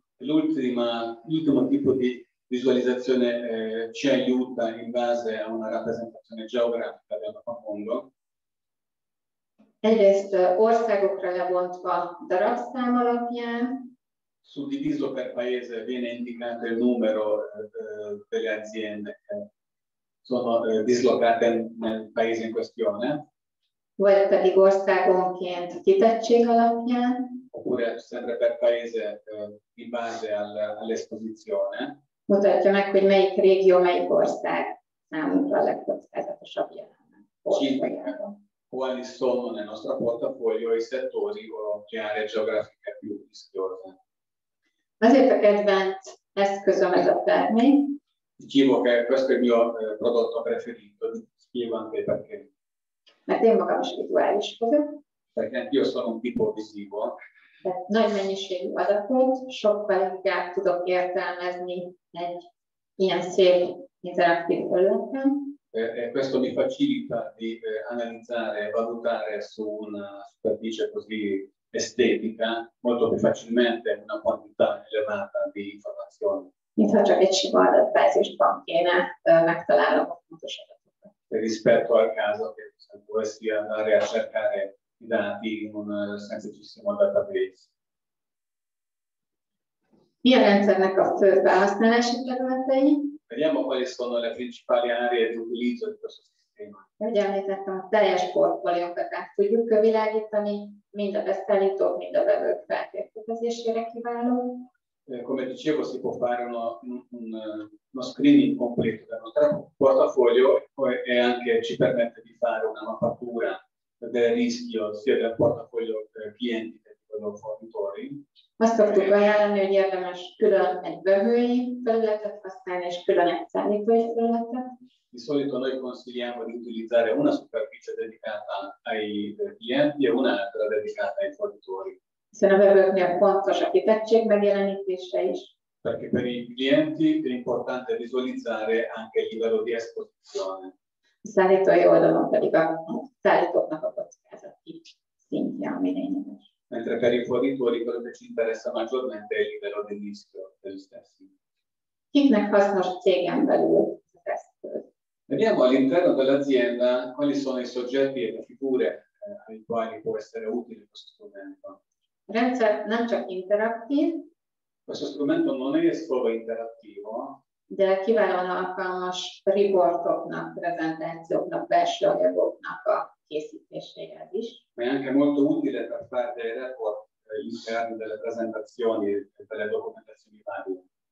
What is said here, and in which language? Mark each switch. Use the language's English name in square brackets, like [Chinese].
[Italian] L'ultimo tipo di visualizzazione ci aiuta in base a una rappresentazione geografica del mondo. [Hungarian] Egyrészt országokra lebontva darabszám alapján. [Italian] Suddiviso per paese viene indicato il numero delle aziende sono dislocate nel paese in questione. [Hungarian] Vagy pedig országonként kitettség alapján. [Italian] Oppure sempre per paese in base all'esposizione. [Hungarian] Mutatja meg, hogy melyik régió, melyik ország számunkra a legkockázatosabb jelenleg. [Italian] Quali sono nel nostro portafoglio i settori o le aree geografiche più rischiose? [Hungarian] Azért a kedvenc eszközöm ez a termék. [Italian] Dicevo che questo è il mio prodotto preferito, spiego anche perché. [Hungarian] Mert én magam is vizuális vagyok. [Italian] Perché anch'io sono un tipo visivo. [Hungarian] Nagy mennyiségű adatot sokkal inkább tudok értelmezni egy ilyen szép interaktív felületen. [Italian] E questo mi facilita di analizzare, valutare su una superficie così estetica molto più facilmente una quantità elevata di informazioni. [Hungarian] Mintha csak egy sima adatbázisban kéne megtalálnom a fontos adatokat. [Italian] Rispetto al caso che dovessi andare a cercare i dati in un semplicissimo database. [Hungarian] Mi a rendszernek a fő felhasználási területei? [Italian] Vediamo quali sono le principali aree di utilizzo di questo sistema. [Hungarian] Ahogy említettem, a teljes portfóliókat át tudjuk világítani, mind a beszállítók, mind a vevők feltérképezésére kiváló. [Italian] Come dicevo, si può fare uno screening completo del nostro portafoglio e anche ci permette di fare una mappatura del rischio sia del portafoglio clienti che di quello fornitori. Ma soprattutto [Hungarian] ajánlani, hogy érdemes külön egy vevői felületet használni és külön egy szállítói felületet. [Italian] Di solito noi consigliamo di utilizzare una superficie dedicata ai clienti e un'altra dedicata ai fornitori. [Hungarian] Hiszen a vevőknél fontos a kitettség megjelenítése is. [Italian] Perché per i clienti è importante visualizzare anche il livello di esposizione. [Hungarian] A szállítói oldalon pedig a szállítóknak a kockázati szintje, ami lényeges. [Italian] Mentre per i fornitori quello che ci interessa maggiormente è il livello di rischio degli stessi. [Hungarian] Kiknek hasznos cégen belül a tesztő? [Italian] Vediamo all'interno dell'azienda quali sono i soggetti e le figure ai quali può essere utile questo strumento. [Hungarian] A rendszer nem csak interaktív. [Italian] Questo strumento non è solo interattivo. [Hungarian] De kiválóan alkalmas riportoknak, prezentációknak, belső anyagoknak a készítéséhez is. [Italian] Ma è anche molto utile per fare dei report interni delle presentazioni e delle documentazioni varie.